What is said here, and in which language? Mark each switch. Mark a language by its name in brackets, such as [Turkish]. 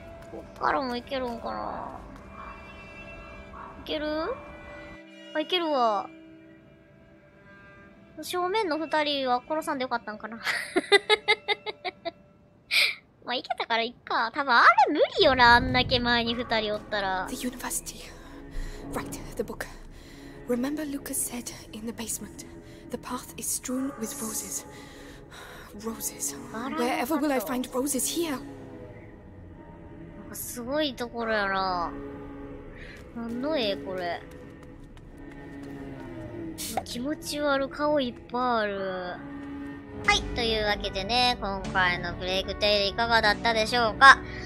[Japanese] こっからも行けるんかな。行ける？あ、行けるわ。正面の二人は殺さんでよかったんかな。まあ、行けたから行っか。多分あれ無理よな、あんだけ前に二人おったら。 [English] The university. Right, the book. Remember Lucas said in the basement, the path is strewn with roses. Roses. Wherever will I find roses here? [Japanese] なんかすごいところやな。何の絵これ。気持ち悪い、顔いっぱいある。はい。というわけでね、今回のブレイクテイルいかがだったでしょうか？